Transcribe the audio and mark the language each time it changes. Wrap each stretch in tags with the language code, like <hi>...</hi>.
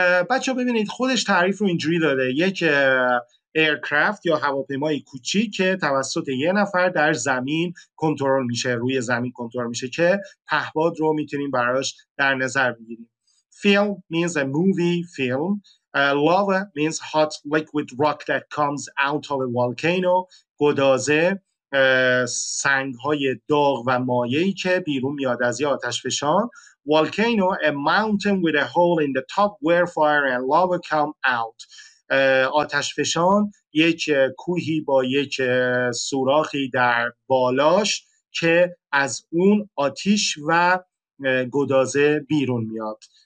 <fa>بچه ها ببینید، خودش تعریف رو اینجوری داده. یک aircraft یا هواپیمای کوچیک که توسط یه نفر در زمین کنترل میشه، روی زمین کنترل میشه، که پهباد رو میتونیم براش در نظر بگیریم.</fa> <en>Film means a movie film. Lava means hot liquid rock that comes out of a volcano.</en> <fa>گدازه، سنگ‌های داغ و مایعی که بیرون میاد از یه آتشفشان.</fa> <en>Volcano, a mountain with a hole in the top where fire and lava come out.</en> <fa>آتشفشان، یک کوهی با یک سوراخی در بالاش که از اون آتش و گدازه بیرون میاد.</fa>